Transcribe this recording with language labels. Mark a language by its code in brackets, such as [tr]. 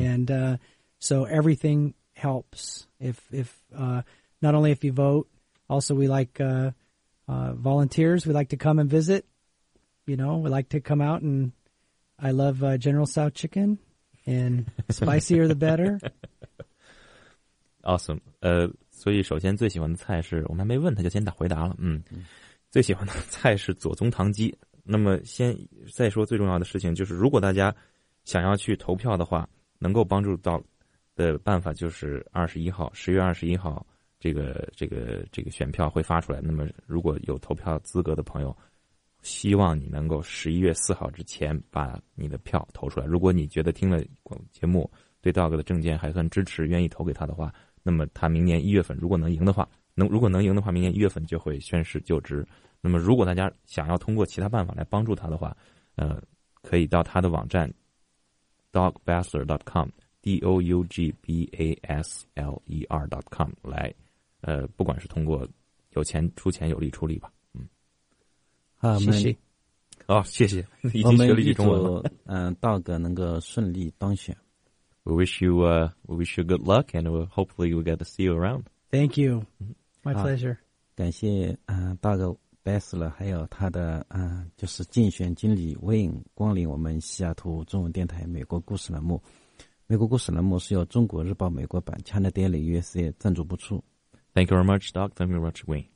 [en] and so everything helps. Not only if you vote, also, we like volunteers. We like to come and visit. You know, we like to come out, and I love General Tso chicken, and spicier the better. Awesome. [zh] 所以首先最喜欢的菜是，我们还没问他就先回答了。嗯，最喜欢的菜是左宗棠鸡。那么先再说最重要的事情，就是如果大家想要去投票的话，能够帮助到的办法就是10月21号。这个选票会发出来。那么如果有投票资格的朋友，希望你能够11月4号之前把你的票投出来。如果你觉得听了节目对道格的政见还算支持，愿意投给他的话，那么他明年1月份如果能赢的话，明年1月份就会宣誓就职。那么如果大家想要通过其他办法来帮助他的话，可以到他的网站 dogbassler.com dogbassler.com 来。不管是通过有钱出钱，有力出力吧，嗯，好，谢谢，哦，谢谢，已经学了一句中文了，道格能够顺利当选。 [en] We wish you good luck, and hopefully we get to see you around. Thank you, my pleasure. [zh] 感谢道格贝斯勒，还有他的就是竞选经理 Wayne 光临我们西雅图中文电台美国故事栏目。美国故事栏目是由中国日报美国版 China Daily USA 赞助播出。 [en] Thank you very much, Doc. Thank you very much, Wayne.